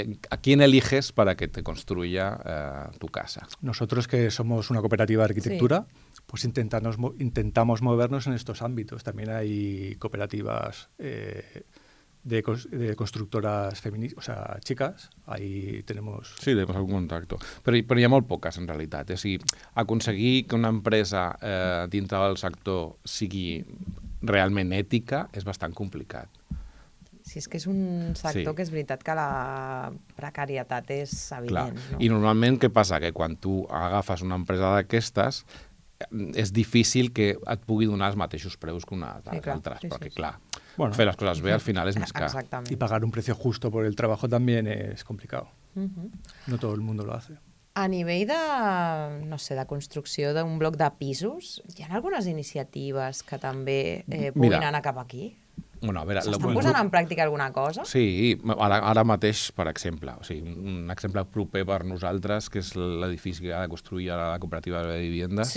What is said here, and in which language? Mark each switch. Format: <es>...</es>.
<es>¿A quién eliges para que te construya tu casa? Nosotros, que somos una cooperativa de arquitectura, sí, pues intentamos movernos en estos ámbitos. También hay cooperativas... De constructoras feministas, o sea, chicas, ahí tenemos... Sí, tenemos algún contacto.</es> <ca>Pero hi ha molt poques, en realitat. És a dir, aconseguir que una empresa dintre del sector sigui realment ètica és bastant complicat. Sí, és que és un sector, sí, que és veritat que la precarietat és evident. Clar. No? I normalment què passa? Que quan tu agafes una empresa d'aquestes, és difícil que et pugui donar els mateixos preus que una de les, sí, clar, altres, sí, perquè, sí, clar... Bueno, fer les coses bé al final és més car.</ca> <es>I pagar un precio justo por el trabajo también es complicado. Uh-huh. No todo el mundo lo hace.</es> <ca>A nivell de, no sé, de construcció d'un bloc de pisos, hi ha algunes iniciatives que també puguin anar cap aquí? Bueno, a veure, s'estan posant en pràctica alguna cosa? Sí, ara mateix, per exemple, o sigui, un exemple proper per nosaltres, que és l'edifici que ha de construir ara la cooperativa de viviendes,</ca>